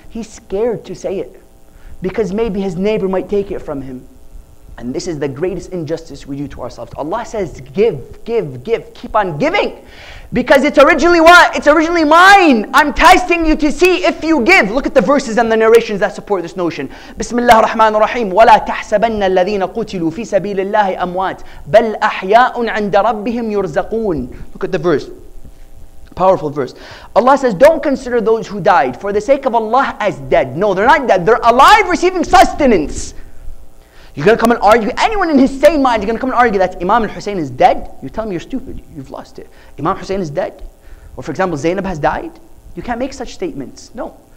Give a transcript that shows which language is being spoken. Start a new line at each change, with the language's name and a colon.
English: He's scared to say it because maybe his neighbor might take it from him. And this is the greatest injustice we do to ourselves. Allah says, give, give, give. Keep on giving. Because it's originally what? It's originally mine. I'm testing you to see if you give. Look at the verses and the narrations that support this notion. Bismillah ar-Rahman ar-Rahim.
Arabic: وَلَا تَحْسَبَنَّ الَّذِينَ قُتِلُوا فِي سَبِيلِ اللَّهِ أَمْوَاتٍ بَلْ أَحْيَاءٌ عَنْدَ رَبِّهِمْ يُرْزَقُونَ
English: Look at the verse. Powerful verse. Allah says, don't consider those who died for the sake of Allah as dead. No, they're not dead. They're alive receiving sustenance. You're going to come and argue. Anyone in his sane mind, you're going to come and argue that Imam al-Hussein is dead? You tell me you're stupid. You've lost it. Imam Hussein is dead? Or for example, Zainab has died? You can't make such statements. No.